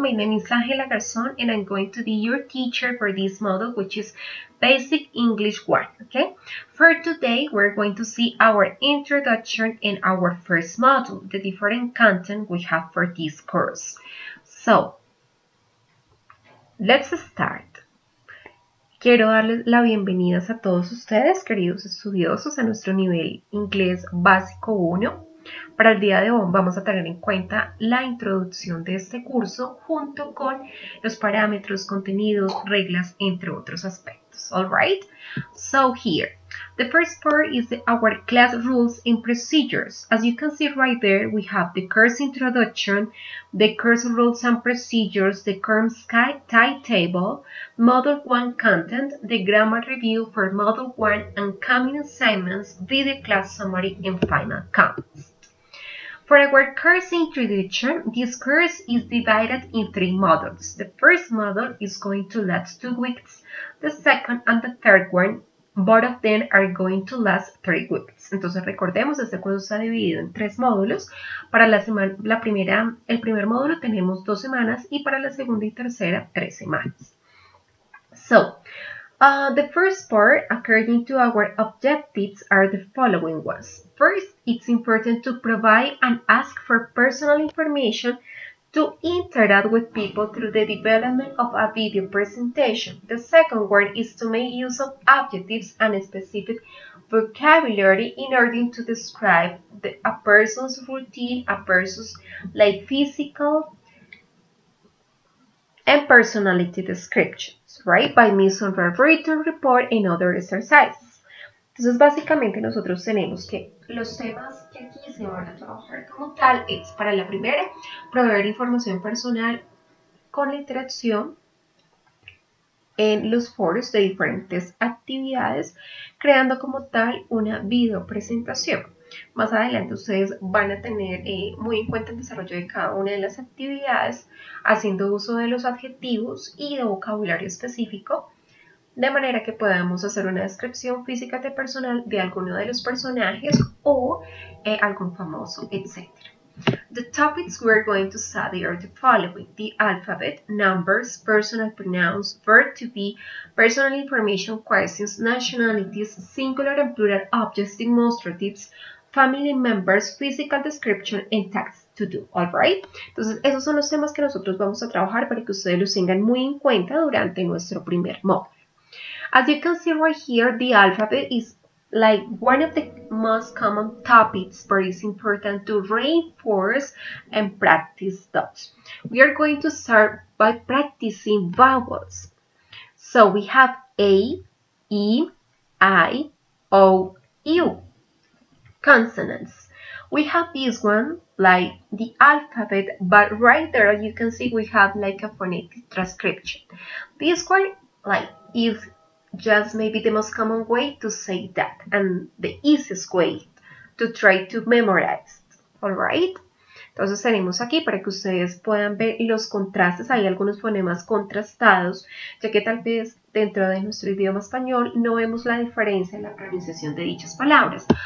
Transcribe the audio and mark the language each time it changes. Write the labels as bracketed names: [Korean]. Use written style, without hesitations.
[English] My name is Angela Garzón, and I'm going to be your teacher for this module, which is Basic English 1, okay? For today, we're going to see our introduction and our first module, the different content we have for this course. So, let's start. [Spanish] Quiero darle la bienvenida a todos ustedes, queridos estudiosos, a nuestro nivel inglés básico 1. Para el día de hoy vamos a tener en cuenta la introducción de este curso junto con los parámetros, contenidos, reglas, entre otros aspectos. [English] All right? So here, the first part is our class rules and procedures. As you can see right there, we have the course introduction, the course rules and procedures, the course time table, Module 1 content, the grammar review for Module 1, and coming assignments, video class summary, and final comments. For our course introduction, this course is divided in three modules. The first module is going to last 2 weeks, the second and the third one, both of them are going to last 3 weeks. [Spanish] Entonces recordemos, este curso está dividido en tres módulos. Para el primer módulo tenemos 2 semanas y para la segunda y tercera, 3 semanas. [English] So, the first part, according to our objectives, are the following ones. First, it's important to provide and ask for personal information to interact with people through the development of a video presentation. The second one is to make use of adjectives and specific vocabulary in order to describe a person's routine, a person's like physical and personality descriptions, right? By means of a written report and other exercises. [Spanish] Entonces, básicamente, nosotros tenemos que los temas que aquí se van a trabajar como tal es, para la primera, proveer información personal con la interacción en los foros de diferentes actividades, creando como tal una video presentación. Más adelante, ustedes van a tener muy en cuenta el desarrollo de cada una de las actividades, haciendo uso de los adjetivos y de vocabulario específico, de manera que podamos hacer una descripción física de personal de alguno de los personajes o algún famoso, etc. [English] The topics we're going to study are the following: the alphabet, numbers, personal pronouns, verb to be, personal information, questions, nationalities, singular and plural objects, demonstratives, family members, physical description, and tasks to do. All right? [Spanish] Entonces, esos son los temas que nosotros vamos a trabajar para que ustedes los tengan muy en cuenta durante nuestro primer módulo. [English] As you can see right here, the alphabet is like one of the most common topics, but it's important to reinforce and practice those. We are going to start by practicing vowels. So we have A, E, I, O, U, consonants. We have this one, like the alphabet, but right there, as you can see, we have like a phonetic transcription. This one, like, is just maybe the most common way to say that and the easiest way to try to memorize. Alright? [Spanish] Entonces tenemos aquí para que ustedes puedan ver los contrastes. Hay algunos fonemas contrastados, ya que tal vez dentro de nuestro idioma español no vemos la diferencia en la pronunciación de dichas palabras.